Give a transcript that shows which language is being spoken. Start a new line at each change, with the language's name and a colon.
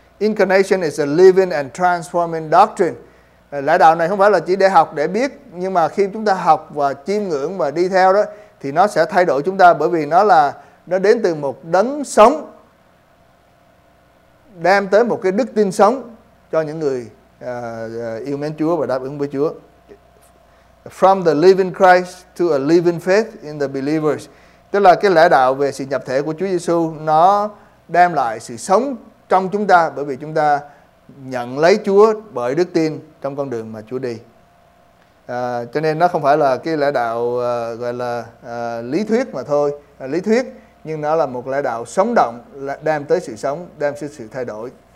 English: Incarnation is a living and transforming doctrine.
Vietnamese: Lẽ đạo này không phải là chỉ để học để biết, nhưng mà khi chúng ta học và chiêm ngưỡng và đi theo đó thì nó sẽ thay đổi chúng ta, bởi vì nó đến từ một đấng sống đem tới một cái đức tin sống cho những người yêu mến Chúa và đáp ứng với Chúa.
English: From the living Christ to a living faith in the believers.
Vietnamese: Tức là cái lẽ đạo về sự nhập thể của Chúa Giêsu nó đem lại sự sống trong chúng ta, bởi vì chúng ta nhận lấy Chúa bởi đức tin trong con đường mà Chúa đi. Cho nên nó không phải là cái lẽ đạo gọi là lý thuyết mà thôi, lý thuyết, nhưng nó là một lẽ đạo sống động, đem tới sự sống, đem tới sự thay đổi.